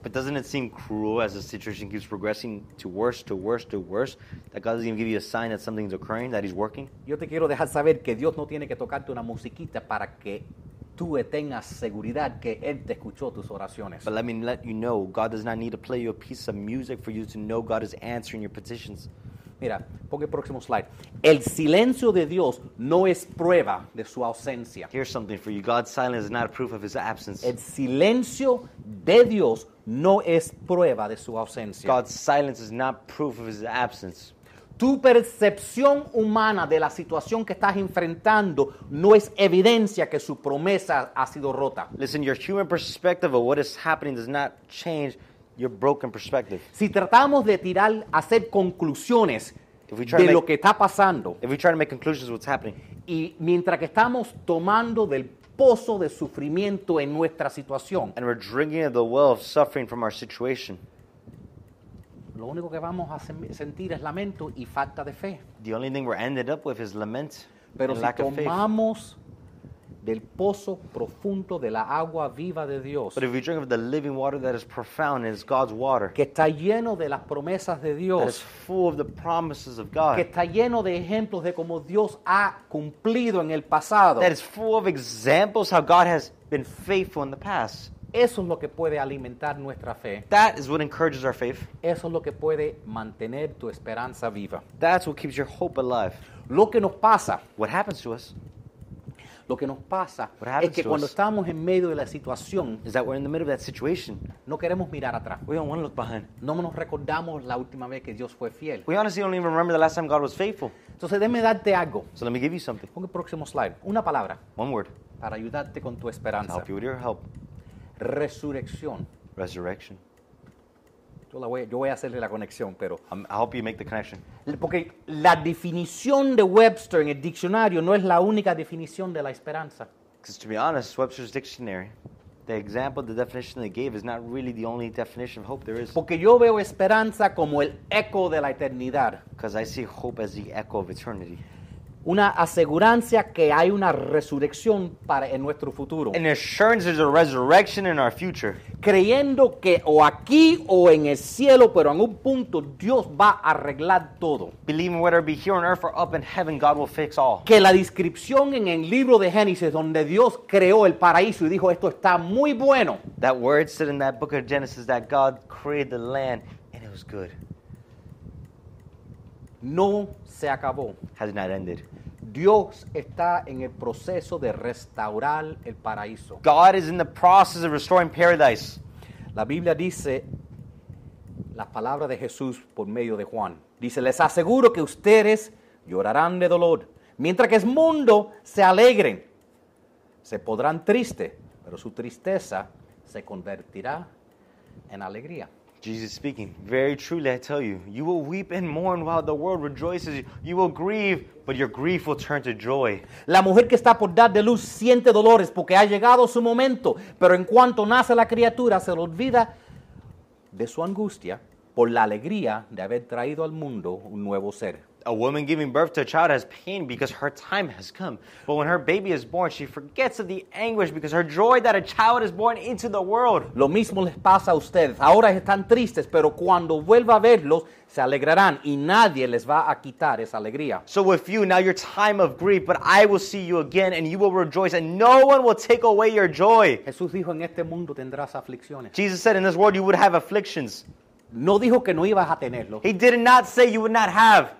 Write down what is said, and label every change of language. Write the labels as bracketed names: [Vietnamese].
[English] But doesn't it seem cruel as the situation keeps progressing to worse, to worse, to worse, that God doesn't even give you a sign that something's occurring, that he's working? [Spanish] Yo te quiero dejar saber que Dios no tiene que tocarte una musiquita para que tú tengas seguridad que Él te escuchó tus oraciones. [English] But let me let you know, God does not need to play you a piece of music for you to know God is answering your petitions. [Spanish] Mira, ponga el próximo slide. El silencio de Dios no es prueba de su ausencia. [English] Here's something for you. God's silence is not a proof of his absence. [Spanish] El silencio de Dios no es prueba de su ausencia. [English] God's silence is not proof of his absence. [Spanish] Tu percepción humana de la situación que estás enfrentando no es evidencia que su promesa ha sido rota. [English] Listen, your human perspective of what is happening does not change your broken perspective. [Spanish] Si tratamos de tirar, hacer conclusiones de lo que está pasando, [English] if we try to make conclusions of what's happening, [Spanish] y mientras que estamos tomando del pozo de sufrimiento en nuestra situación, [English] and we're drinking of the well of suffering from our situation, [Spanish] lo único que vamos a sentir es lamento y falta de fe. [English] The only thing we're ended up with is lament [Spanish] pero [English] and lack [Spanish] si tomamos del pozo profundo de la agua viva de Dios. [English] But if you drink of the living water that is profound and is God's water. [Spanish] Que está lleno de las promesas de Dios. [English] That is full of the promises of God. [Spanish] Que está lleno de ejemplos de cómo Dios ha cumplido en el pasado. [English] That is full of examples how God has been faithful in the past. [Spanish] Eso es lo que puede alimentar nuestra fe. [English] That is what encourages our faith. [Spanish] Eso es lo que puede mantener tu esperanza viva. [English] That's what keeps your hope alive. [Spanish] Lo que nos pasa. [English] What happens to us. [Spanish] Lo que nos pasa es que cuando estamos en medio de la situación, [English] is that we're in the middle of that situation, [Spanish] no queremos mirar atrás. [English] We don't want to look behind. [Spanish] No nos recordamos la última vez que Dios fue fiel. [English] We honestly don't even remember the last time God was faithful. [Spanish] Entonces, déjame darte algo. [English] So let me give you something. [Spanish] Pon el próximo slide. Una palabra. [English] One word. [Spanish] Para ayudarte con tu esperanza. [English] To help you with your help. [Spanish] Resurrección. [English] Resurrection. [Spanish] Yo voy a hacerle la conexión, pero [English] I hope you make the connection. [Spanish] Porque la definición de Webster en el diccionario no es la única definición de la esperanza. [English] Because to be honest, Webster's dictionary, the example, the definition they gave is not really the only definition of hope there is. [Spanish] Porque yo veo esperanza como el eco de la eternidad. [English] Because I see hope as the echo of eternity. [Spanish] Una aseguranza que hay una resurrección para en nuestro futuro. [English] An assurance there's a resurrection in our future. [Spanish] Creyendo que o aquí o en el cielo, pero en un punto Dios va a arreglar todo. [English] Believing whether it be here on earth or up in heaven, God will fix all. [Spanish] Que la descripción en el libro de Génesis donde Dios creó el paraíso y dijo esto está muy bueno. [English] That word said in that book of Genesis that God created the land and it was good. [Spanish] No se acabó. [English] Has not ended. [Spanish] Dios está en el proceso de restaurar el paraíso. [English] God is in the process of restoring paradise. [Spanish] La Biblia dice las palabras de Jesús por medio de Juan. Dice, les aseguro que ustedes llorarán de dolor. Mientras que el mundo se alegren, se podrán tristes, pero su tristeza se convertirá en alegría. [English] Jesus speaking, very truly I tell you, you will weep and mourn while the world rejoices. You will grieve, but your grief will turn to joy. [Spanish] La mujer que está por dar de luz siente dolores porque ha llegado su momento, pero en cuanto nace la criatura se le olvida de su angustia por la alegría de haber traído al mundo un nuevo ser. [English] A woman giving birth to a child has pain because her time has come. But when her baby is born, she forgets of the anguish because her joy that a child is born into the world. [Spanish] Lo mismo les pasa a ustedes. Ahora están tristes, pero cuando vuelva a verlos, se alegrarán y nadie les va a quitar esa alegría. [English] So with you, now your time of grief, but I will see you again and you will rejoice and no one will take away your joy. [Spanish] Jesús dijo, en este mundo tendrás aflicciones. [English] Jesus said, in this world you would have afflictions. [Spanish] No dijo que no ibas a tenerlo. [English] He did not say you would not have.